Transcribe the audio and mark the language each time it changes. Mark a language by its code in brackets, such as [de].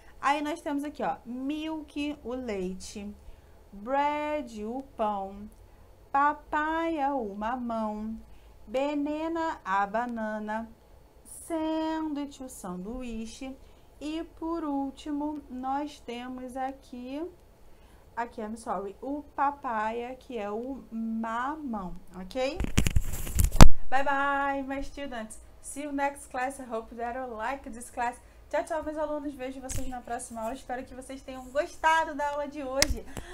[pt] Aí nós temos aqui, ó, milk, o leite, bread, o pão, papaya, o mamão, banana, a banana, sandwich, o sanduíche. E por último, nós temos aqui, [en] I'm sorry, [pt] o papaya, que é o mamão, ok? [en] Bye bye, my students. See you next class. I hope that you like this class. [pt] Tchau, tchau, meus alunos. Vejo vocês na próxima aula. Espero que vocês tenham gostado da aula de hoje.